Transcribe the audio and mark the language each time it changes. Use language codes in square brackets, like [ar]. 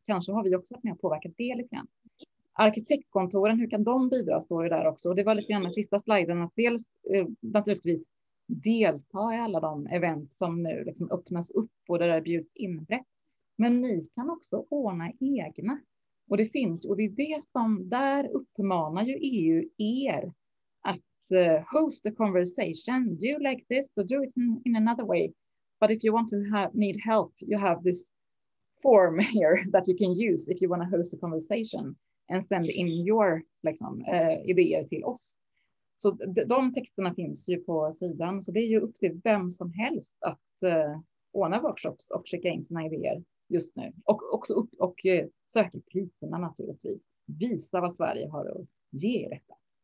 [sv] Kanske har vi också varit med och påverkat det lite grann. Arkitektkontoren, hur kan de bidra, står ju där också. Och det var lite grann den sista sliden, att dels naturligtvis delta i alla de event som nu liksom öppnas upp och där det bjuds in brett. Men ni kan också ordna egna. Och det finns, och det är det som där uppmanar ju EU er att [en] host a conversation. Do you like this? So do it in another way. But if you want to need help, you have this form here that you can use if you want to host a conversation. And send in your [sv] liksom, idéer till oss. Så de texterna finns ju på sidan. Så det är ju upp till vem som helst att ordna workshops och skicka in sina idéer just nu. Och också upp och söka priserna naturligtvis. Visa vad Sverige har att ge i detta.